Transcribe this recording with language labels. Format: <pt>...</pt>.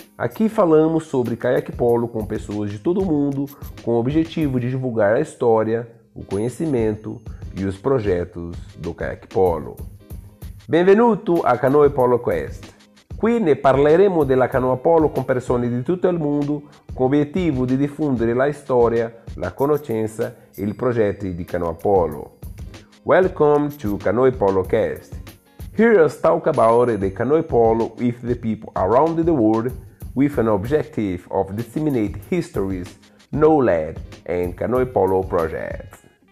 <pt>Aqui falamos sobre caiaque polo com pessoas de todo mundo, com o objetivo de divulgar a história, o conhecimento e os projetos do caiaque polo.</pt> <it>Benvenuto a Canoe Polocast. Qui ne parleremo della canoa polo con persone di tutto il mondo, con l'obiettivo di diffondere la storia, la conoscenza e i progetti di canoa polo.</it> <en>Welcome to Canoe Polocast. Hear us talk about the canoe polo with the people around the world with an objective of disseminate histories, knowledge, and canoe polo projects.</en>